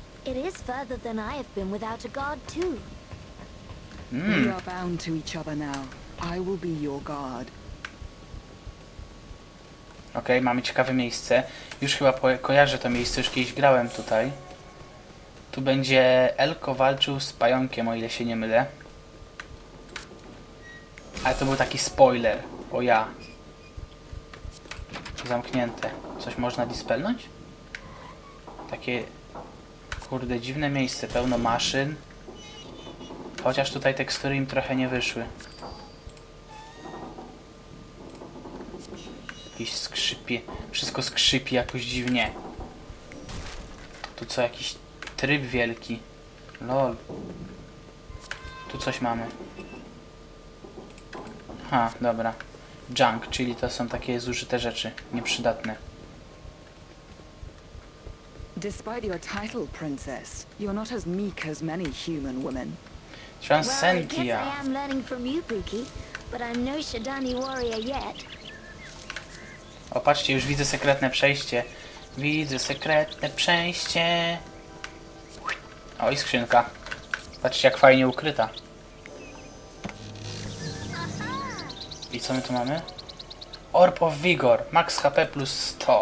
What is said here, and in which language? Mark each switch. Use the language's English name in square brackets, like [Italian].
[English] It is further than I have been without a guard too. We are bound to each other now. I will be your guard. [Polish] Okej, okay, mamy ciekawe miejsce. Już chyba kojarzę to miejsce, już kiedyś grałem tutaj. Tu będzie Elko walczył z pająkiem, o ile się nie mylę. Ale to był taki spoiler. O ja. Zamknięte. Coś można dispelnąć? Takie, kurde, dziwne miejsce. Pełno maszyn. Chociaż tutaj tekstury im trochę nie wyszły. Jakiś skrzypie. Wszystko skrzypi jakoś dziwnie. Tu co, jakiś tryb wielki. Lol. Tu coś mamy. Ha, dobra. Junk, czyli to są takie zużyte rzeczy, nieprzydatne. [English] Despite your title, princess, you're not as meek as many human women. Transcendia. Well, I guess I am learning from you, Pookie, but I'm no Shadani warrior yet. [Polish] O, patrzcie, już widzę sekretne przejście. Widzę sekretne przejście. O, i skrzynka. Patrzcie, jak fajnie ukryta. I co my tu mamy? Orb of Vigor. Max HP plus 100.